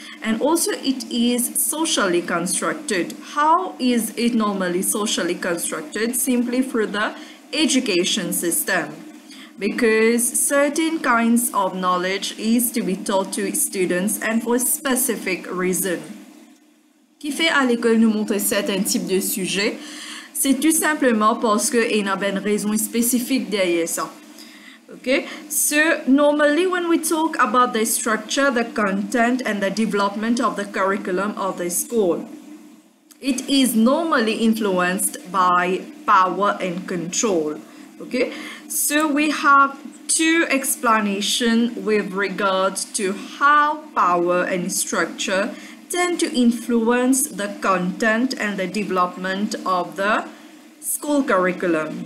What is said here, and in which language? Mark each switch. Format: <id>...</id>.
<en>And also it is socially constructed. How is it normally socially constructed? Simply through the education system. Because certain kinds of knowledge is to be taught to students and for a specific reason.</en> <fr>Qui fait à l'école nous montrer certains types de sujets? C'est tout simplement parce qu'il y a une raison spécifique derrière ça.</fr> <en>Okay, so normally when we talk about the structure, the content and the development of the curriculum of the school, it is normally influenced by power and control. Okay, so we have two explanations with regards to how power and structure tend to influence the content and the development of the school curriculum.</en>